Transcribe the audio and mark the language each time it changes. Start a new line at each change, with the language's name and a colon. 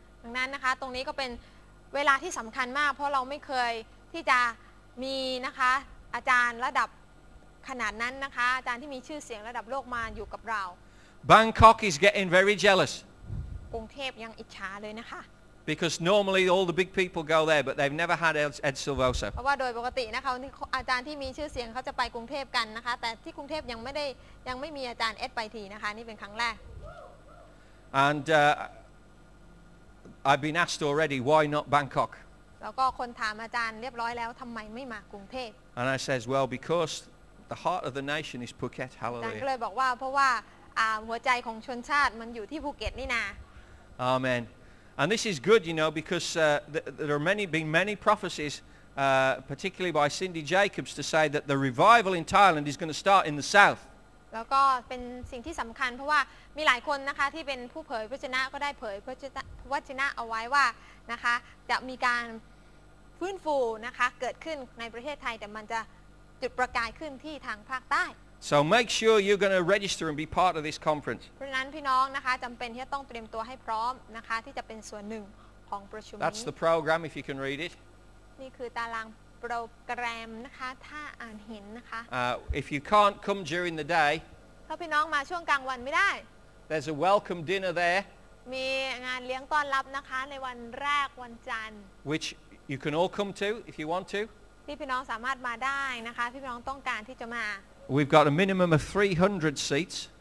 Thai: ดังนั้นนะคะตรงนี้ก็เป็นเวลาที่สำคัญมากเพราะเราไม่เคยที่จะมีนะคะอาจารย์ระดับขนาดนั้นนะคะอาจารย์ที่มีชื่อเสียงระดับโลกมาอยู่กับเรา
English: Bangkok is getting very jealous.
Thai: กรุงเทพยังอิจฉาเลยนะคะ
English: Because normally all the big people go there, but they've never had Ed Silvoso.
Thai: เพราะว่าโดยปกตินะคะอาจารย์ที่มีชื่อเสียงเขาจะไปกรุงเทพกันนะคะแต่ที่กรุงเทพยังไม่มีอาจารย์เอ็ดไปทีนะคะนี่เป็นครั้งแรก
English: And I've been asked already, why not Bangkok?
Thai: แล้วก็คนถามอาจารย์เรียบร้อยแล้วทำไมไม่มากรุงเทพ
English: And I says, well, because the heart of the nation is Phuket. Hallelujah. อ
Thai: าจารย์ก็เลยบอกว่าเพราะว่าหัวใจของชนชาติมันอยู่ที่ภูเก็ตนี่นา
English: Amen. And this is good, you know, because there have been many prophecies, particularly by Cindy Jacobs, to say that the revival in Thailand is going to start in the south.
Thai: แล้วก็เป็นสิ่งที่สำคัญเพราะว่ามีหลายคนนะคะที่เป็นผู้เผยพระชนะก็ได้เผยพระวจนะเอาไว้ว่านะคะจะมีการฟื้นฟูนะคะเกิดขึ้นในประเทศไทยแต่มันจะจุดประกายขึ้นที่ทางภาคใต้
English: So make sure you're going to register and be part of this conference.
Thai: เพราะฉะนั้นพี่น้องนะคะจำเป็นที่จะต้องเตรียมตัวให้พร้อมนะคะที่จะเป็นส่วนหนึ่งของประชุมนี้
English: That's the program if you can read it.
Thai: นี่คือตารางโปรแกรมนะคะถ้าอ่านเห็นนะคะ
English: If you can't come during the day,
Thai: ถ้าพี่น้องมาช่วงกลางวันไม่ได้
English: There's a welcome dinner there.
Thai: มีงานเลี้ยงต้อนรับนะคะในวันแรกวันจันทร์
English: Which you can all come to if you want to.
Thai: ที่พี่น้องสามารถมาได้นะคะพี่น้องต้องการที่จะมา
English: We've got a minimum of 300 seats.